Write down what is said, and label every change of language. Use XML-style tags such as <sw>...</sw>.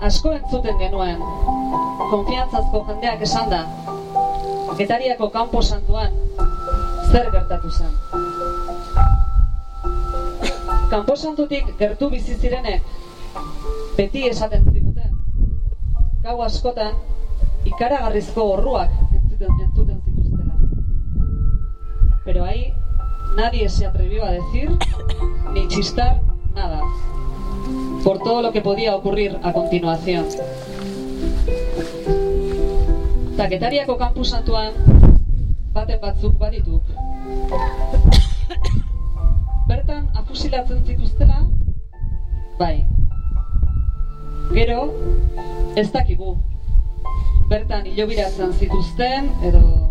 <eu>Asko entzuten genuen, konfiantzazko jendeak esan da, Getariako kanpo santuan, zer gertatu zen. Kanposantutik gertu bizi zirenek beti esaten ziguten. Gau askotan ikaragarrizko orruak entzuten zituztela.</eu> <es>Pero ahí nadie se atrevió a decir ni chistar nada por todo lo que podía ocurrir a continuación.</es> <eu>Ta Getariako kanposantuan baten batzuk baditu. Bertan afusilatzen zituztela, bai. Gero, ez dakigu. Bertan hilobiratzen zituzten, edo...</eu>